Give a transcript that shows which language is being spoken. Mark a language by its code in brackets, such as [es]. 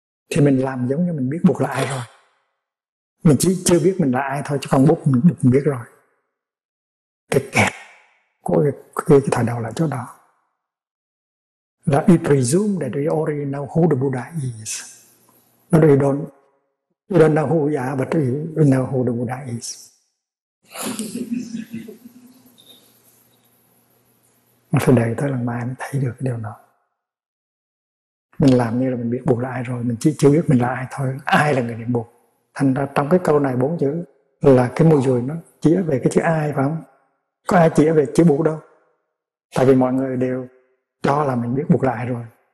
[vi] Thì mình làm giống như mình biết Bụt là ai rồi. Mình chỉ chưa biết mình là ai thôi, chứ còn Bụt mình biết rồi. Cái kẹt của cái thời đầu là chỗ đó. Là [en] we presume that we already know who the Buddha is. But we don't. We don't know who we are, but we know who the Buddha is. [vi] Mình phải đợi tới lần mai mình thấy được điều đó. Mình làm như là mình biết Bụt là ai rồi, mình chỉ chưa biết mình là ai thôi. Ai là người niệm Bụt? Thành ra trong cái câu này 4 chữ là cái mùi dùi nó chỉ về cái chữ ai, phải không? Có ai chỉ về chữ Bụt đâu. Tại vì mọi người đều cho là mình biết Bụt là ai rồi.